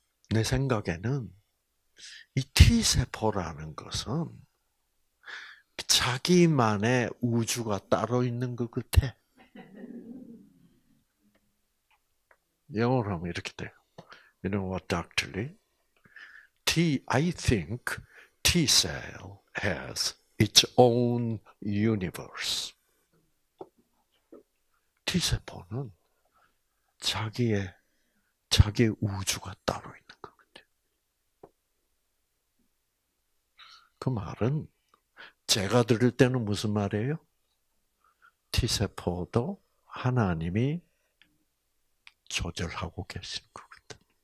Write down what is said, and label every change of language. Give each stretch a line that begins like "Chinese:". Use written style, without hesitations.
Korean: 내 생각에는 이 T세포라는 것은 자기만의 우주가 따로 있는 것 같아. 영어로 하면 이렇게 돼요.
English: You know what, Dr. Lee? I think T-cell has its own universe.
Korean: T세포는 자기의 우주가 따로 있는 그 말은 제가 들을 때는 무슨 말이에요? T세포도 하나님이 조절하고 계신 거거든.